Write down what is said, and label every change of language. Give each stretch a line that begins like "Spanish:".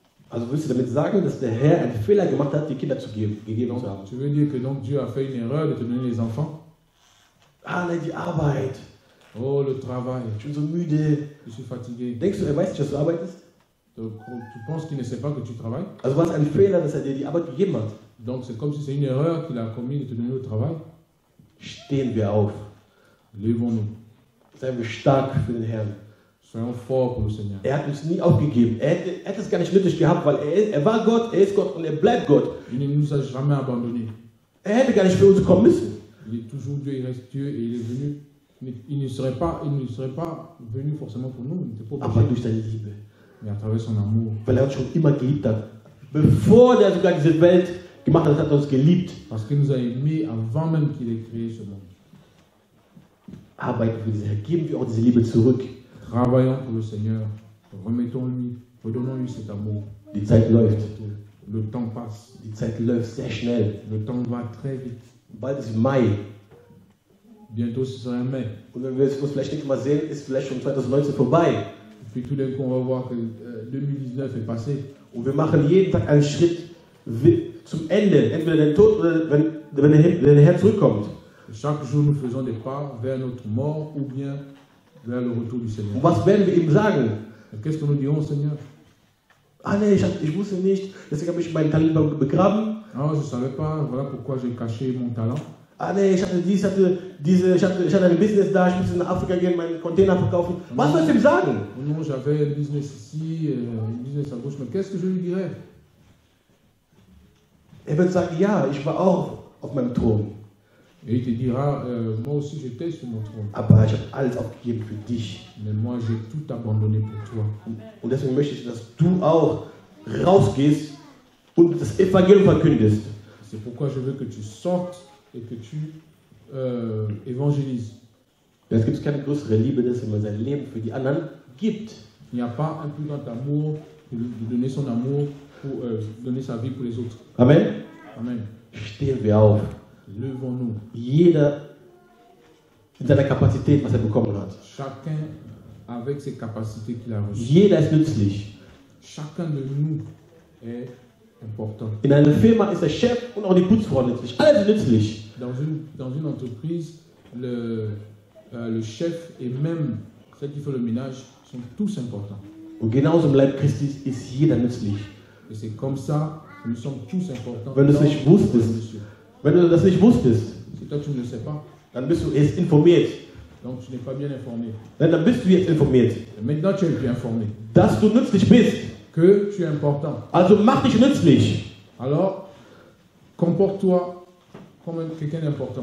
German: Also willst du damit sagen, dass der Herr einen Fehler gemacht hat, die Kinder zu geben, gegeben
French: donc,
German: zu haben?
French: Tu veux dire que donc Dieu a fait une erreur de te donner les enfants? Ah, là,
German: die Arbeit.
French: Oh, le travail. Je suis
German: so müde.
French: Je suis fatigué.
German: Denkst du, er weiß nicht, dass du arbeitest?
French: Tu penses qu'il ne sait pas que tu travailles?
German: Also war es ein Fehler, dass er dir die Arbeit gegeben hat?
French: Donc c'est comme si c'est une erreur qu'il a commis de te donner le travail?
German: Stehen wir auf.
French: Levons-nous.
German: Seien wir stark für den Herrn. Seien
French: fort pour le Seigneur.
German: Er hat uns nie aufgegeben. Er hat es gar nicht nötig gehabt, weil er war Gott, er ist Gott und er bleibt Gott.
French: Il ne nous a jamais abandonné.
German: Er hätte gar nicht für uns kommen müssen.
French: Il est toujours Dieu, il reste Dieu et il est venu. Il ne serait pas venu forcément pour nous. Il n'était pas obligé.
German: Aber durch seine Liebe.
French: Mais à travers son amour.
German: Weil er uns schon immer geliebt hat. Bevor er sogar diese Welt gemacht hat, hat er uns geliebt.
French: Parce qu'il nous a aimé avant même qu'il ait créé ce monde.
German: Arbeiten wir diese, geben wir auch diese Liebe zurück.
French: Travaillons pour le Seigneur. Remettons-lui, redonnons-lui cet amour.
German: Die Zeit läuft.
French: Le temps passe.
German: Die Zeit läuft sehr schnell.
French: Le temps va très vite.
German: Bald ist Mai.
French: Bientôt ce sera Mai.
German: Und wenn wir es vielleicht nicht mal sehen, ist vielleicht schon 2019 vorbei.
French: Et puis tout d'un coup, on va voir que 2019 est passé.
German: Und wir machen jeden Tag einen Schritt zum Ende. Entweder den Tod oder wenn der Herr zurückkommt.
French: Chaque jour, nous faisons des pas vers notre mort ou bien vers le retour du Seigneur.
German: Was werden wir ihm sagen?
French: Et qu'est-ce que nous dirons, Seigneur?
German: Ah, nein, ich wusste nicht, deswegen habe ich meinen Talent begraben.
French: Ah, je ne savais pas, voilà pourquoi j'ai caché mon talent.
German: Ah, nein, ich hatte ein Business da, ich musste in Afrika gehen, meinen Container verkaufen. Was soll ich ihm sagen?
French: Non, j'avais un Business ici, un Business à gauche, mais qu'est-ce que je lui dirais?
German: Er wird sagen, ja, ich war auch auf meinem Thron.
French: Et il te dira, moi aussi j'étais sur mon trône.
German: Aber ich habe alles aufgegeben für dich.
French: Mais moi j'ai tout abandonné pour toi.
German: Und deswegen möchte ich, dass du auch rausgehst und das Evangelium verkündest.
French: C'est pourquoi je veux que tu sortes et que tu évangélises.
German: Es gibt keine größere Liebe, dass man sein Leben für die anderen gibt.
French: Il n'y a pas un plus grand amour de donner son amour pour donner sa vie pour les autres. Amen. Amen.
German: Stehen wir auf.
French: Levons-nous.
German: Jeder in seiner Kapazität, was bekommen hat.
French: Chacun avec ses capacités qu'il a reçues.
German: Jeder ist nützlich.
French: Chacun de nous est important.
German: In einer Firma ist der Chef und auch die Putzfrau nützlich. Alle sind nützlich.
French: Dans une entreprise, le chef et même celle qui fait le ménage sont tous importants.
German: Und genauso im Leib Christi ist jeder nützlich.
French: Et c'est comme ça que nous sommes tous importants.
German: Wenn du es nicht wusstest, wenn du das nicht wusstest,
French: si toi, tu ne sais pas,
German: dann bist du erst informiert.
French: Donc, tu n'es pas bien informé.
German: Nein, dann bist du jetzt informiert.
French: Maintenant, tu es bien informé.
German: Dass du nützlich bist.
French: Que tu es important.
German: Also mach dich nützlich.
French: Alors, comporte-toi comme quelqu'un d'important.